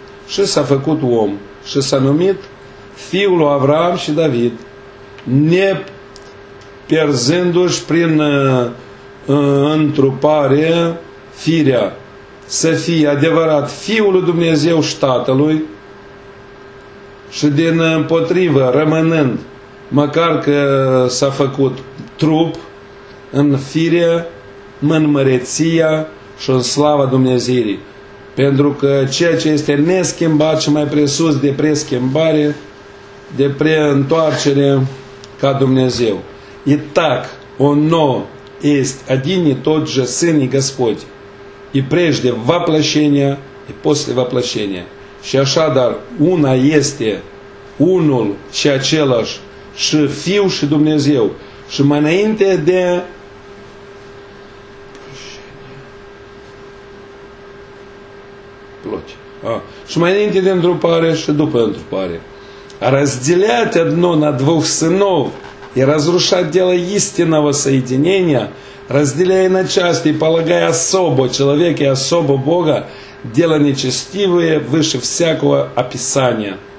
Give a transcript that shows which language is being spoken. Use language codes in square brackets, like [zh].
[ro] Și s-a făcut om și s-a numit Fiul lui Avraam și David, neperzându-și prin întrupare firea, să fie adevărat Fiul lui Dumnezeu și Tatălui, și din împotrivă, rămânând, măcar că s-a făcut trup în fire, în măreția și în slava Dumnezeirii. Pentru că ceea ce este neschimbat și mai presus de preschimbare, de preîntoarcere ca Dumnezeu. [ru] И так, оно есть один и тот же Сын и Господь, и прежде воплощение, и после воплощение. [ro] Și așadar, una este unul și același și Fiul și Dumnezeu. Și mai înainte de plăci. Și mai înainte de întrupare și după întrupare. [ru] A разделяt одно на двух сынов и разрушать дело истинного соединения, разделяя на части, полагая особо человека и особо Бога, дело нечестивое выше всякого описания.